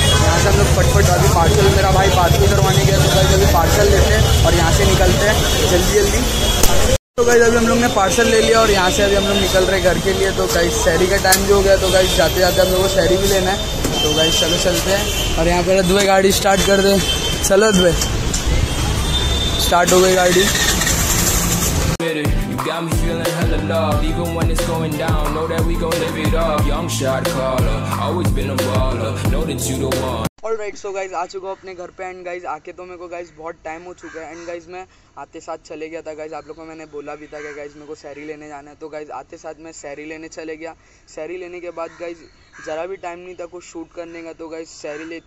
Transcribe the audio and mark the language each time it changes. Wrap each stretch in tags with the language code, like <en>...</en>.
<hi>यहाँ से हम लोग फटफट अभी पार्सल मेरा भाई पार्सल करवाने गया तो गाइज अभी पार्सल लेते हैं और यहाँ से निकलते हैं जल्दी जल्दी तो गाइज अभी हम लोग ने पार्सल ले लिया और यहाँ से अभी हम लोग निकल रहे घर के लिए तो गाइज सैरी का टाइम भी हो गया तो गाइज जाते जाते हम लोग को सैरी भी लेना है तो गाइज चलो चलते हैं और यहाँ पर दुबई गाड़ी स्टार्ट कर दे चलो दुबई स्टार्ट हो गई गाड़ी</hi> <en>Got me feeling hella loved, even when it's going down. Know that we gon' live it up. Young shot caller, always been a baller. Know that you the one. Alright, so guys,</en> <hi>आ चुका हूँ अपने घर पे and guys आके तो मेरे को guys बहुत टाइम हो चुका है एंड गाइज मैं आते साथ चले गया था गाइज आप लोगों को मैंने बोला भी था कि गाइज मेरे को सैरी लेने जाना है तो गाइज आते साथ मैं सैरी लेने चले गया सैरी लेने के बाद गाइज ज़रा भी टाइम नहीं था कुछ शूट करने का तो गाइज सैरी</hi>